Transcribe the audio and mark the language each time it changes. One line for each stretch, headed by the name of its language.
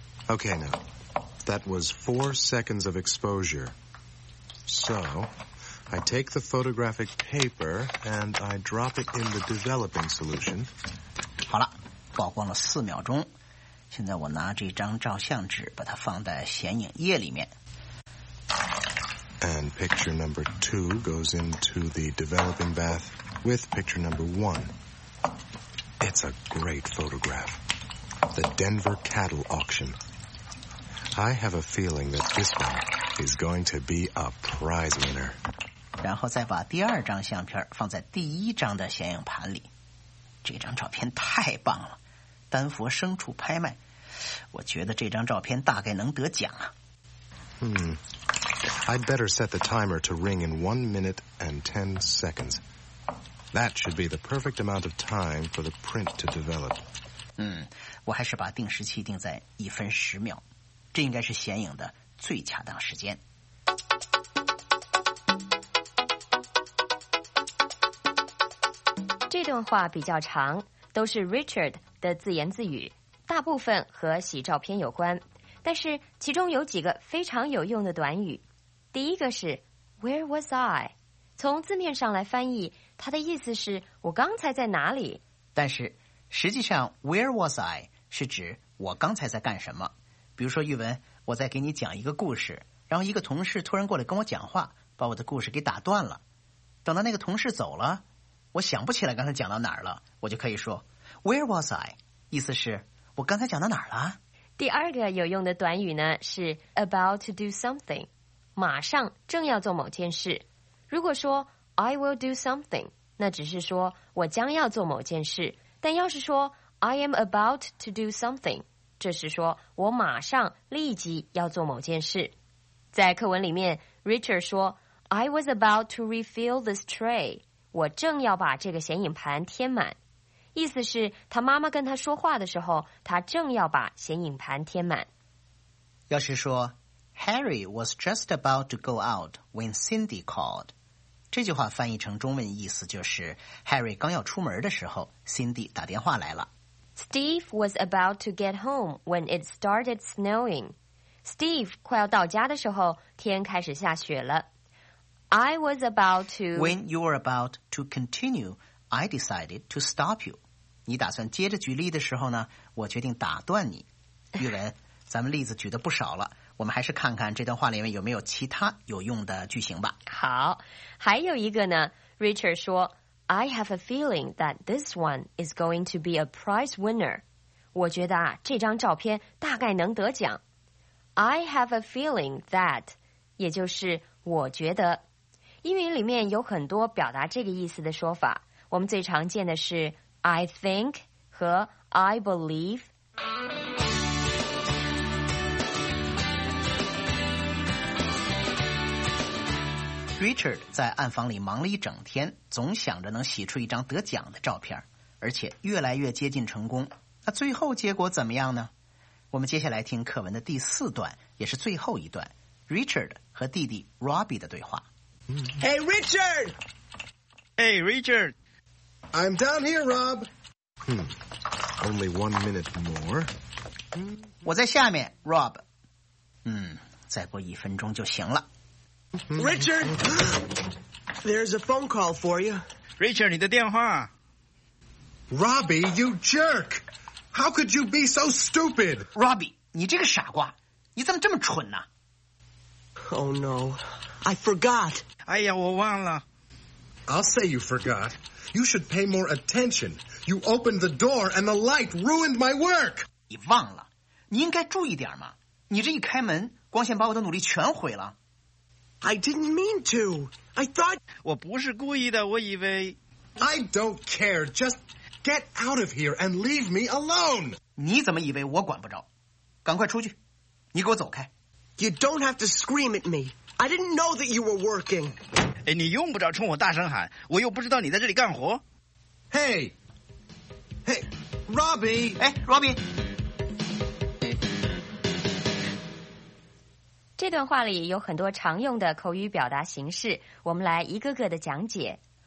English: Okay, now, that was 4 seconds of exposure. So, I take the photographic paper and I drop it in the developing solution.
Chinese: 好了，曝光了4秒钟。现在我拿这张照相纸，把它放在显影液里面。
English: And picture number 2 goes into the developing bath with picture number 1. It's a great photograph. The Denver cattle auction. I have a feeling that this one is going to be a prize winner.
Chinese: 然后再把第二张相片放在第一张的显影盘里。这张照片太棒了，丹佛牲畜拍卖，我觉得这张照片大概能得奖啊。
English: I'd better set the timer to ring in 1 minute and 10 seconds. That should be the perfect amount of time for the print to develop.
Chinese: 我还是把定时器定在1分10秒，这应该是显影的最恰当时间。这段话比较长，都是 Richard 的自言自语，大部分和洗照片有关，但是其中有几个非常有用的短语。第一个是
English: Where was I?
Chinese: 从字面上来翻译，它的意思是我刚才在哪里。但是实际上
English: Where was I?
Chinese: 是指我刚才在干什么。比如说玉文，我在给你讲一个故事，然后一个同事突然过来跟我讲话，把我的故事给打断了。等到那个同事走了，我想不起来刚才讲到哪儿了，我就可以说
English: Where was I?
Chinese: 意思是我刚才讲到哪儿了。第二个有用的短语呢，是
English: About to do something，
Chinese: 马上正要做某件事。如果说
English: I will do something，
Chinese: 那只是说我将要做某件事，但要是说
English: I am about to do something，
Chinese: 这是说我马上立即要做某件事。在课文里面， Richard 说
English: I was about to refill this tray，
Chinese: 我正要把这个显影盘填满，意思是他妈妈跟他说话的时候，他正要把显影盘填满。要是说
English: Harry was just about to go out when Cindy called.
Chinese: 这句话翻译成中文意思就是 Harry 刚要出门的时候， Cindy 打电话来了。
English: Steve was about to get home when it started snowing.
Chinese: Steve 快要到家的时候，天开始下雪了。
English: I was about to... When you were about to continue, I decided to stop you.
Chinese: 你打算接着举例的时候呢，我决定打断你。玉文，咱们例子举得不少了，我们还是看看这段话里面有没有其他有用的句型吧。好，还有一个呢，
English: Richard 说 I have a feeling that this one is going to be a prize winner.
Chinese: 我觉得啊，这张照片大概能得奖。
English: I have a feeling that，
Chinese: 也就是我觉得。英语里面有很多表达这个意思的说法，我们最常见的是
English: I think
Chinese: 和
English: I believe。
Chinese: Richard 在暗房里忙了一整天，总想着能洗出一张得奖的照片，而且越来越接近成功。那最后结果怎么样呢？我们接下来听课文的第四段，也是最后一段， Richard 和弟弟 Robbie 的对话。
English: Hey Richard! Hey Richard! I'm down here, Rob. Only 1 minute more.
Chinese: 我在下面， Rob. 再过1分钟就行了。
English: Richard, there's a phone call for you.
Chinese: Richard, 你的电话。
English: Robbie, you jerk! How could you be so stupid?
Chinese: Robbie, 你这个傻瓜，你怎么这么蠢呢？
English: Oh no, I forgot.
Chinese: 哎呀，我忘了。
English: I'll say you forgot. You should pay more attention. You opened the door and the light ruined my work.
Chinese: 你忘了，你应该注意点嘛。你这一开门，光线把我的努力全毁了。
English: I didn't mean to. I thought...
Chinese: 我不是故意的，我以为...
English: I don't care. Just get out of here and leave me alone.
Chinese: 你怎么以为我管不着？赶快出去，你给我走开。
English: You don't have to scream at me. I didn't know that you were working.
Chinese: 哎，你用不着冲我大声喊，我又不知道你在这里干活。
English: Hey, hey, Robbie.
Chinese: 哎 ，Robbie。这段话里有很多常用的口语表达形式，我们来一个个的讲解。